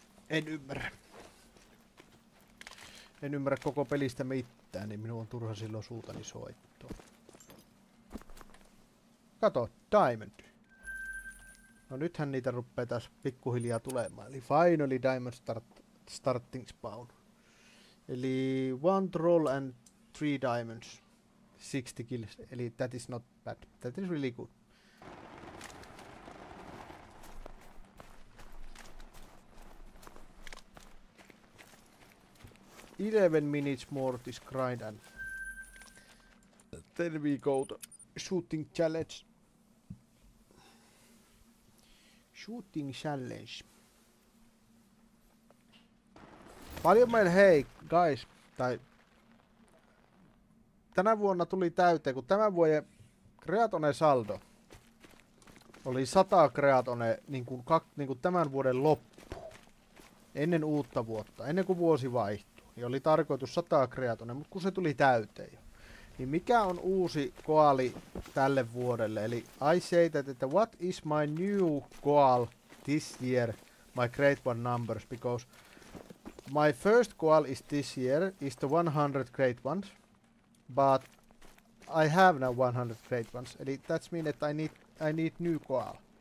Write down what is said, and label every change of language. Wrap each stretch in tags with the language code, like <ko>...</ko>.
<fi>En ymmärrä. En ymmärrä koko pelistä mitään, niin minun on turha silloin suutani soittoa. Kato, diamond. No nythän niitä ruppee taas pikkuhiljaa tulemaan. Eli</fi> <en>finally diamond starting spawn. Eli one troll and three diamonds. 60 kills.</en> <fi>Eli</fi> <en>that is not bad. That is really good. Eleven minutes more this grind and then we go to shooting challenge. Shooting challenge.</en> <fi>Paljon meillä,</fi> <en>hei guys,</en> <fi>tai tänä vuonna tuli täyteen, kun tämän vuoden kreatone saldo oli 100 kreatone niin kuin tämän vuoden loppu ennen uutta vuotta, ennen kuin vuosi vaihtui, niin oli tarkoitus 100 kreatone, mutta kun se tuli täyteen jo, niin mikä on uusi goali tälle vuodelle? Eli</fi> <en>I say that,</en> <fi>että</fi> <en>what is my new goal this year, my great one numbers, because my first goal is this year, is the 100 great ones, but I have now 100 great ones,</en> <fi>eli</fi> <en>that's mean that I need new goal.</en>